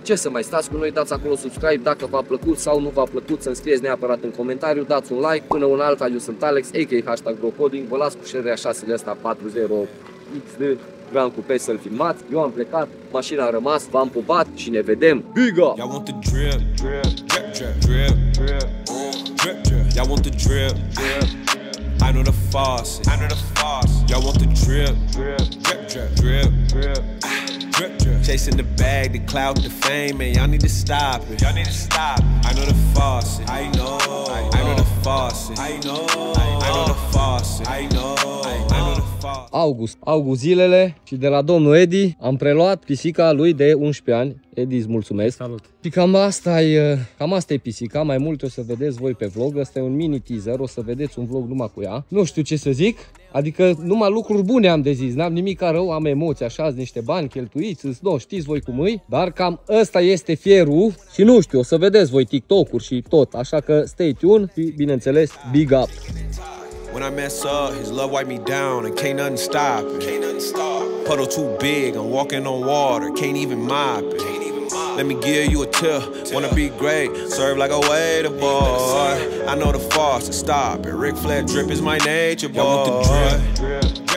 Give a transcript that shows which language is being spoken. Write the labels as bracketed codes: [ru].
[ro] Ce să mai stați cu noi, dați acolo subscribe dacă v-a plăcut sau nu v-a plăcut, să-mi scrieți neapărat în comentariu, dați un like. Până una alta, eu sunt Alex, a.k.a. hashtag GoCoding, vă las cu șerea 6-le astea 40XD. Vreau cu pe să-l filmați, eu am plecat, mașina a rămas, v-am pupat și ne vedem. Biga! [en] Y'all want the drip, drip, drip, drip, drip, drip. Y'all want the drip, drip. I know the faucet, I know the faucet. Y'all want the drip, drip, drip, drip, drip, drip. Chasing the bag, the clout, the fame, man, y'all need to stop it. Y'all need to stop. I know the faucet, I know. I know the faucet, I know. I know the faucet, I know. August. [ro] August zilele și de la domnul Edi am preluat pisica lui de 11 ani. Edi, îți mulțumesc. Salut. Și cam asta e pisica. Mai mult o să vedeți voi pe vlog. Ăsta e un mini teaser. O să vedeți un vlog numai cu ea. Nu știu ce să zic. Adică numai lucruri bune am de zis. N-am nimic rău. Am emoții așa, niște bani cheltuiți. Nu, știți voi cum e. Dar cam ăsta este fierul. Și nu știu, o să vedeți voi TikTok-uri și tot. Așa că [en] stay tuned [ro] și bineînțeles, [en] big up. When I mess up, his love wipe me down and can't nothing stop it. Can't nothing stop. Puddle too big, I'm walking on water, can't even mop it. Can't even mop. Let me give you a tip, wanna be great, serve like a waiter, boy. I know the faucet, stop it. Ric Flair drip is my nature, boy. Y'all want the drip, drip.